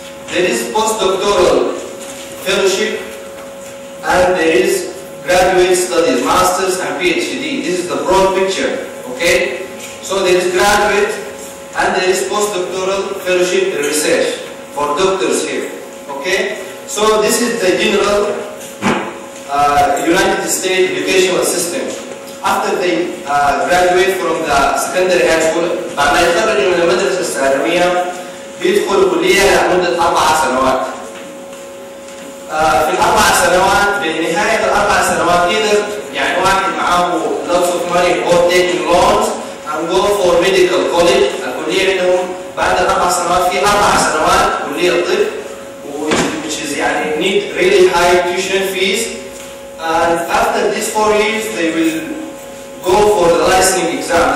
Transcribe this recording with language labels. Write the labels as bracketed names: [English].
[English] There is postdoctoral fellowship and there is graduate studies, masters and PhD. This is the broad picture. Okay? So there is graduate and there is postdoctoral fellowship research for doctors here. Okay? So this is the general United States educational system. After they graduate from the secondary high school, [Arabic] بعد ما يتخرج من المدرسة الثانوية بيدخل كلية لمدة 4 سنوات. في الأربع سنوات بنهاية الأربع سنوات إذا يعني واحد معه [English] lots of money or taking loans and go for medical college [Arabic] الكلية منهم بعد الأربع سنوات في أربع سنوات كلية الطب [English] which is يعني need really high tuition fees and after these 4 years they will go for the licensing exam.